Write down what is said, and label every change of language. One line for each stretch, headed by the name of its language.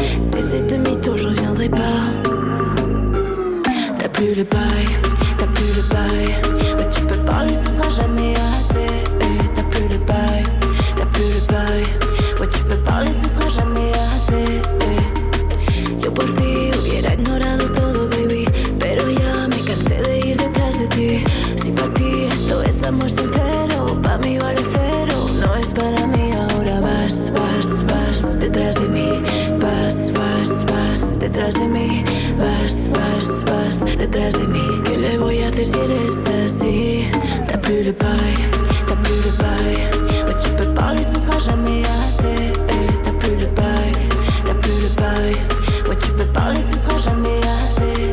French: T'essaies de mytho, je reviendrai pas. T'as plus le bail, t'as plus le bail. Bah tu peux parler, ce sera jamais assez. Et t'as plus le bail, t'as plus le bail. Ouais tu peux parler, ce sera jamais assez.
Spanish: Et yo por ti hubiera ignorado todo, baby. Pero ya me cansé de ir detrás de ti. Si pa' ti esto es amor sincero, pa' mí vale cero. No es para mí, ahora vas, vas, vas detrás de mí. Vas, vas, vas detrás de mí. Vas, vas, vas detrás de mí. ¿Qué le voy a hacer si eres así?
French: T'as plus le bail, t'as plus le bail. Ouais, tu peux parler, ce sera jamais assez. T'as plus le bail, t'as plus le bail. Ouais, tu peux parler, ce sera jamais assez.